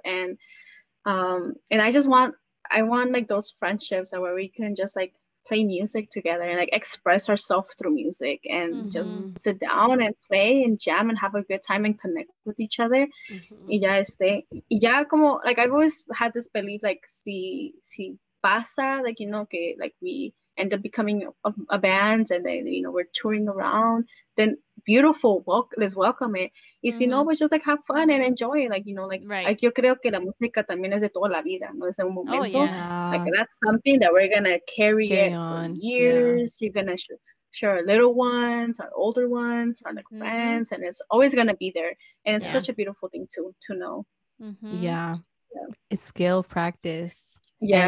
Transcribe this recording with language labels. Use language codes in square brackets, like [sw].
[en] And I just want like those friendships that where we can just like play music together and like express ourselves through music and just sit down and play and jam and have a good time and connect with each other. Mm-hmm. [es] Y ya como, [en] like I've always had this belief, like [es] si pasa, [en] like, you know, que, like we end up becoming a band and then, you know, we're touring around, then beautiful, let's welcome it. [es] Y si no, pues [en] just like have fun and enjoy it. Like, you know, like, right. Like [es] yo creo que la música también es de toda la vida, no es de un momento. [en] Oh, yeah. Like that's something that we're going to carry it on for years. Yeah. You're going to share our little ones, our older ones, our like friends, and it's always going to be there. And it's such a beautiful thing to know. Mm-hmm. Yeah. It's skill practice. Yeah,